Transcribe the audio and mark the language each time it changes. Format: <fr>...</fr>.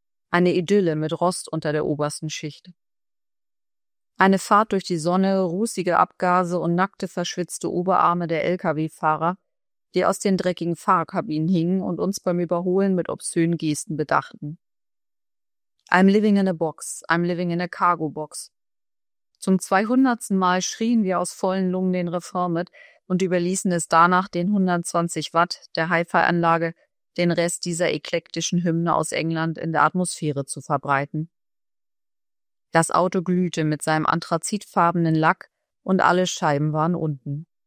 <de>Eine Idylle mit Rost unter der obersten Schicht. Eine Fahrt durch die Sonne, rußige Abgase und nackte, verschwitzte Oberarme der Lkw-Fahrer, die aus den dreckigen Fahrerkabinen hingen und uns beim Überholen mit obszönen Gesten bedachten.</de> <en>I'm living in a box, I'm living in a cargo box.</en> <de>Zum 200. Mal schrien wir aus vollen Lungen den Refrain mit und überließen es danach den 120 Watt der Hi-Fi-Anlage, den Rest dieser eklektischen Hymne aus England in der Atmosphäre zu verbreiten. Das Auto glühte mit seinem anthrazitfarbenen Lack und alle Scheiben waren unten.</de>